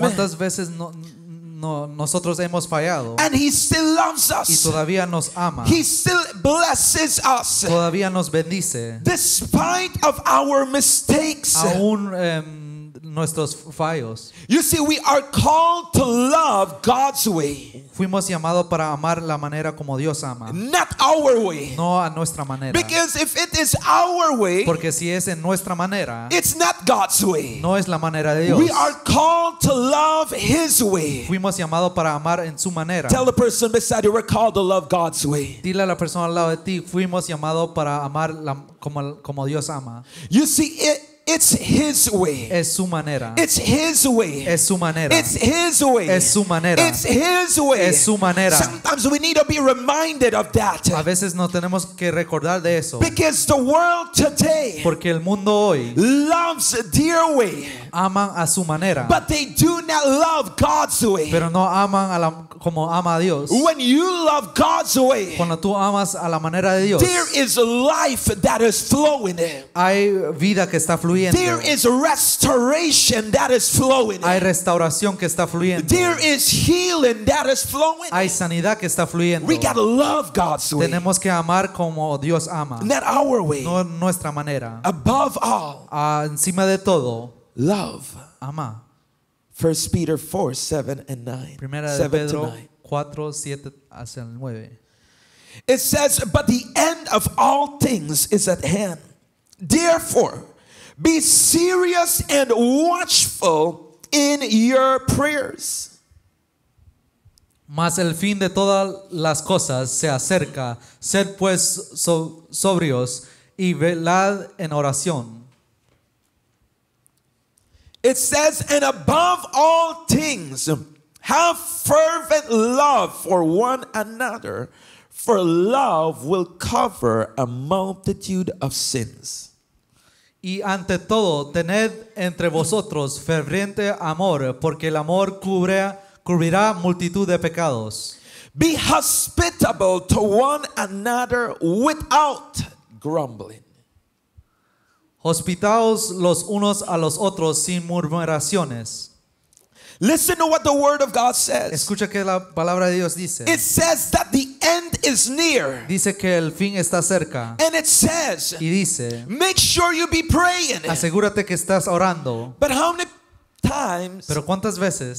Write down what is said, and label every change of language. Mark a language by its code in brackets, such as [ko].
[es] ¿Cuántas veces no, no, nosotros hemos fallado? [en] And he still loves us. [es] Y todavía nos ama. [en] He still blesses us. [es] Todavía nos bendice. [en] Despite of our mistakes. [es] Aún nuestros fallos. [en] You see, we are called to love God's way. [es] Fuimos llamados para amar la manera como Dios ama. [en] Not our way. [es] No a nuestra manera. [en] Because if it is our way, [es] porque si es en nuestra manera, [en] it's not God's way. [es] No es la manera de Dios. [en] We are called to love His way. [es] Fuimos llamados para amar en su manera. [en] Tell the person beside you, we're called to love God's way. [es] Dile a la persona al lado de ti, fuimos llamados para amar la, como Dios ama. [en] You see it. It's His way. [es] Es su manera. [en] It's His way. [es] Es su manera. [en] It's His way. [es] Es su manera. [en] It's His way. [es] Es su manera. [en] Sometimes we need to be reminded of that. [es] A veces nos tenemos que recordar de eso. [en] Because the world today, [es] porque el mundo hoy, [en] loves their way. [es] Aman a su manera. [en] But they do not love God's way. [es] Pero no aman a la, como ama a Dios. [en] When you love God's way, [es] cuando tú amas a la manera de Dios, [en] there is life that is flowing in. [es] Hay vida que está fluyendo. [en] There is restoration that is flowing. [es] Hay restauración que está fluyendo. [en] There is healing that is flowing. [es] Hay sanidad que está fluyendo. [en] We gotta love God's way. [es] Tenemos que amar como Dios ama. [en] Not our way. [es] No nuestra manera. [en] Above all. [es] Encima de todo. [en] Love. [es] Ama. [en] 1 Peter 4, 7 and 9. [es] Primera de Pedro 4, 7 hacia el 9. [en] It says, but the end of all things is at hand. Therefore, be serious and watchful in your prayers. [es] Mas el fin de todas las cosas se acerca. Sed pues sobrios y velad en oración. [en] It says, and above all things, have fervent love for one another, for love will cover a multitude of sins. [es] Y ante todo, tened entre vosotros ferviente amor, porque el amor cubrirá multitud de pecados. [en] Be hospitable to one another without grumbling. [es] Hospitaos los unos a los otros sin murmuraciones. [en] Listen to what the word of God says. [es] Escucha que la palabra de Dios dice. [en] It says that the end is near. [es] Dice que el fin está cerca. [en] And it says. [es] Y dice. [en] Make sure you be praying. [es] Asegúrate que estás orando. [en] But how many times? [es] Pero cuántas veces?